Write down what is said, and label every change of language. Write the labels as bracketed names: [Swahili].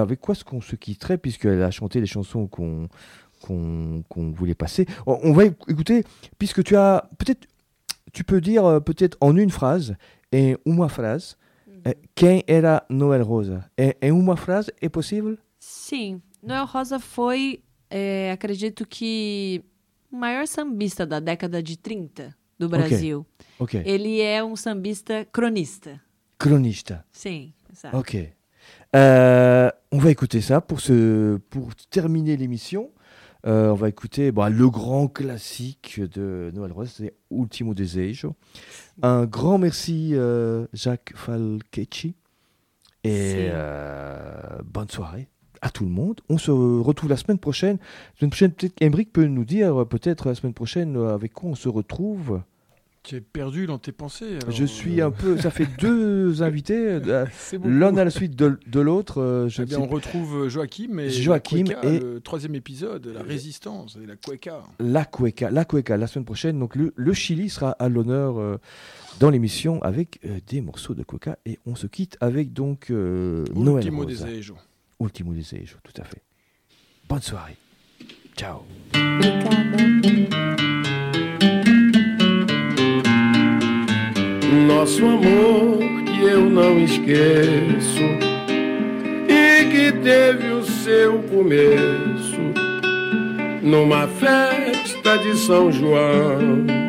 [French] Avec quoi est-ce qu'on se quitterait puisqu'elle a chanté les chansons qu'on voulait passer ? On va écouter, puisque tu as peut-être, tu peux dire peut-être en une phrase, en une phrase, [Portuguese] quem era Noel Rosa ? [French] En une phrase, est possible ? [Portuguese] Si. Noel Rosa foi, acredito que, o maior sambista da década de 30 do Brasil. Ok. Okay. Ele é um sambista cronista. Cronista. Sim, exato. Ok. [French] On va écouter ça pour terminer l'émission. On va écouter le grand classique de Noel Rosa, c'est Último Desejo. Un grand merci, Jacques Falchetti. Et bonne soirée. À tout le monde. On se retrouve la semaine prochaine. La semaine prochaine, peut-être qu'Emeric peut nous dire, peut-être la semaine prochaine, avec quoi on se retrouve. Tu es perdu dans tes pensées. Alors... Je suis un peu. Ça fait deux invités, c'est l'un à la suite de l'autre. On retrouve Joachim et Joachim la cueca, et le troisième épisode, la résistance et la cueca. La cueca, la semaine prochaine. Donc le Chili sera à l'honneur dans l'émission avec des morceaux de cueca. Et on se quitte avec donc Noël Rosa. Des Aéjo. Último desejo, tout à fait. Bonne soirée. Ciao. [Portuguese] Nosso amor que eu não esqueço e que teve o seu começo numa festa de São João.